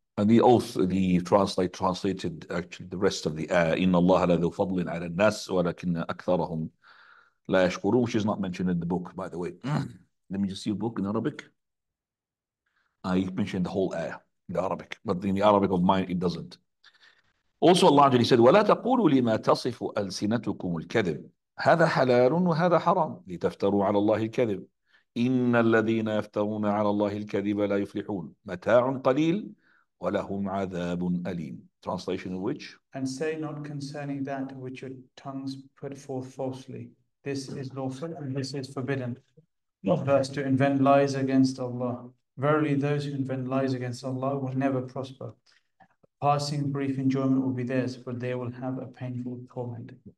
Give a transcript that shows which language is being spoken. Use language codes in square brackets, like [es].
[en] And the oath, the translate translated actually the rest of the ayah, [ar] إِنَّ اللَّهَ لَذُو فَضْلٍ عَلَى النَّاسِ وَلَكِنَّ أَكْثَرَهُمْ لَا يَشْكُرُونَ, [en] which is not mentioned in the book, by the way. Let me just see a book in Arabic. I mentioned the whole ayah in the Arabic, but in the Arabic of mine, it doesn't. Also, Allah Jalla said, [ar] وَلَا تَقُولُوا لِمَا تَصِفُ أَلْسِنَتُكُمُ الْكَذِبُ هَذَا حَلَالٌ وَهَذَا حَرَامٌ لِتَفْتَرُوا عَلَى اللَّهِ الْكَذِبُ إِنَّ الَّذِينَ يَفْتَرُونَ عَلَى اللَّهِ الْكَذِبَ لَا يُفْلِحُونَ مَتَاعٌ قَلِيلٌ وَلَهُمْ عَذَابٌ أَلِيمٌ. [en] Translation of which? And say not concerning that which your tongues put forth falsely. This is lawful and this is forbidden. Not first to invent lies against Allah. Verily, those who invent lies against Allah will never prosper. Passing brief enjoyment will be theirs, but they will have a painful torment.